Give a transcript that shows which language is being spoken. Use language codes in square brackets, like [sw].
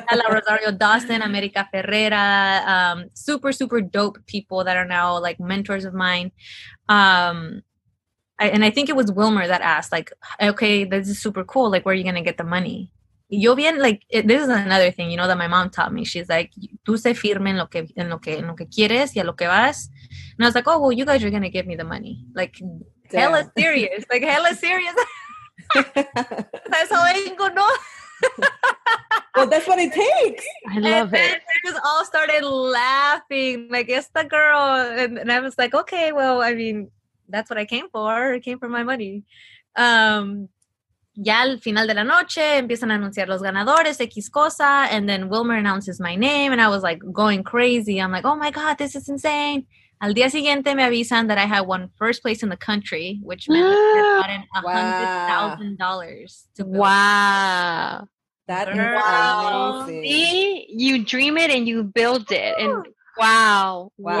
[en] Rosario Dawson, America Ferreira, super, super dope people that are now like mentors of mine. I think it was Wilmer that asked, like, okay, this is super cool. Like, where are you going to get the money? You'll be in, like, this is another thing, you know, that my mom taught me. She's like, [es] tú se firme en lo que quieres y a lo que vas. [en] And I was like, oh, well, you guys are going to give me the money. Like, hella serious. Like, hella serious. That's how I ain't gonna know. Well, that's what it takes. I love it. And then we just all started laughing, like, it's the girl. And I was like, okay, well, I mean, that's what I came for. I came for my money. [es] Ya al final de la noche empiezan a anunciar los ganadores, X cosa. [en] And then Wilmer announces my name, and I was like going crazy. I'm like, oh my God, this is insane. [es] Al día siguiente me avisan [en] that I had won first place in the country, which meant I got $100,000. See, you dream it and you build it. And wow.